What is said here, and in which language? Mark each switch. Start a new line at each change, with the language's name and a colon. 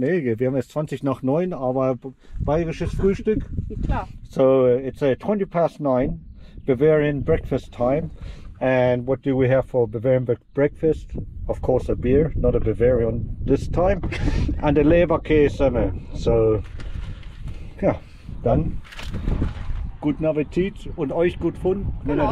German: Nee, wir haben jetzt 20 nach 9, aber bayerisches Frühstück. Klar.
English: So, it's 20 past 9, Bavarian breakfast time. And what do we have for Bavarian breakfast? Of course, a beer, not a Bavarian this time. And a Leberkäse.
German: So, ja, dann guten Appetit und euch gut Fun, wenn ihr dann